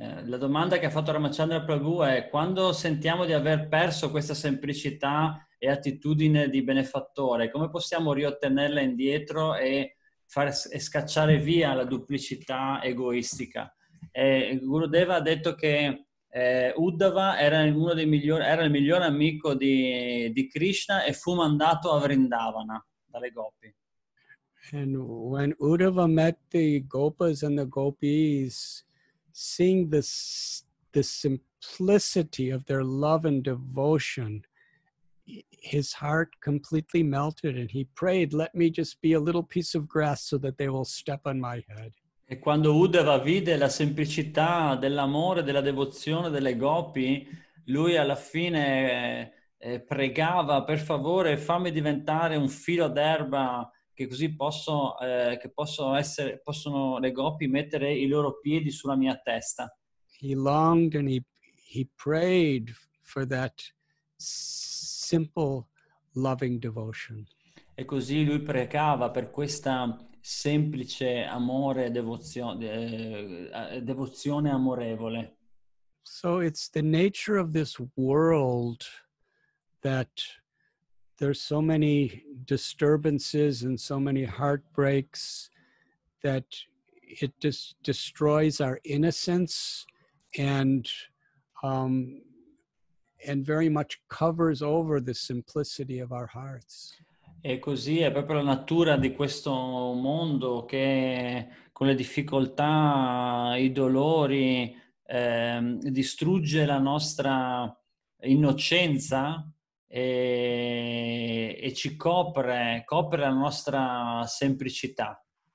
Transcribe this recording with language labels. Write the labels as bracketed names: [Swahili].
[Italian] La domanda che ha fatto Ramachandra Prabhu è: quando sentiamo di aver perso questa semplicità e attitudine di benefattore, come possiamo riottenerla indietro e far scacciare via la duplicità egoistica? Gurudev ha detto che Uddhava era uno dei migliori, era il migliore amico di Krishna e fu mandato a Vrindavana dalle gopi. [English] And when Uddhava met the gopas and the gopis, seeing the simplicity of their love and devotion, his heart completely melted and he prayed, "Let me just be a little piece of grass so that they will step on my head." [Italian] E quando Uddhava vide la semplicità dell'amore, della devozione, delle gopi, lui alla fine pregava, per favore, fammi diventare un filo d'erba che così posso, che posso essere, possono le gopi mettere i loro piedi sulla mia testa. [English] He longed and he prayed for that simple loving devotion. [Italian] E così lui pregava per questa semplice amore, devozione amorevole. [English] So it's the nature of this world that there's so many disturbances and so many heartbreaks that it just destroys our innocence and very much covers over the simplicity of our hearts. [Italian] E così è proprio la natura di questo mondo che con le difficoltà, i dolori, distrugge la nostra innocenza e ci copre la nostra semplicità.